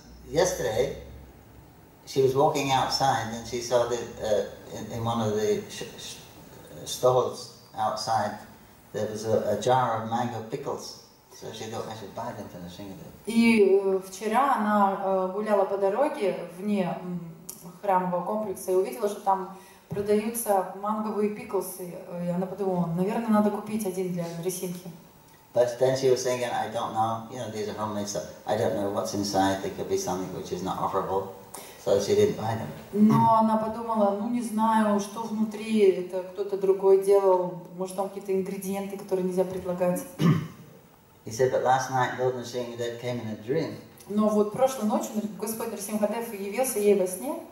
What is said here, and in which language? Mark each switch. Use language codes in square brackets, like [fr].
[en] Yesterday, she was walking outside and she saw that in one of the stalls outside there was a jar of mango pickles. So she thought I should buy them for Nrisimhadev. [ru] И вчера она гуляла по дороге вне храмового комплекса и увидела, что там продаются манговые пиклсы. И она подумала, наверное, надо купить один для Нрисимхи. [en] But then she was thinking, I don't know, you know, these are homemade stuff. I don't know what's inside. There could be something which is not offerable. So she didn't buy them. [ru] Но она подумала, ну не знаю, что внутри, это кто-то другой делал. Может, там какие-то ингредиенты, которые нельзя предлагать. [en] He said, but last night, Lord Nrisimhadev came in a dream. [ru] Но вот прошлой ночью Господь Нрисимхадев явился ей во сне.